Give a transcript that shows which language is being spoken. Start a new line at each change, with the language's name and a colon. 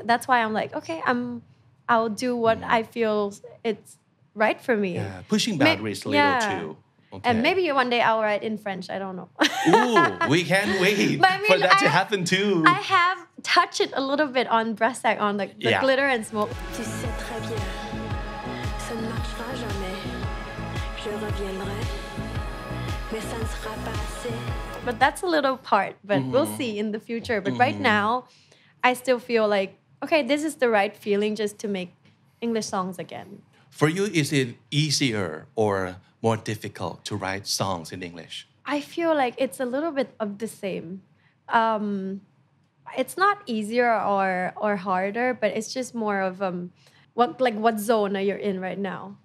English: That's why I'm like, okay, I'll do what I feel it's right for me. Yeah, pushing boundaries a little too. Okay. And maybe one day I'll write in French. I don't know. Ooh, we can't wait for that to happen too. I have touched it a little bit on Brassac, on the glitter and smoke.
French: Tu sais très bien, ça ne marchera jamais. Je reviendrai, mais ça ne sera pas assez.
English: But that's a little part, but we'll see in the future. But right now, I still feel like, okay, this is the right feeling just to make English songs again. For you, is it easier or more difficult to write songs in English? I feel like it's a little bit of the same. It's not easier or harder, but it's just more of what zone are you in right now?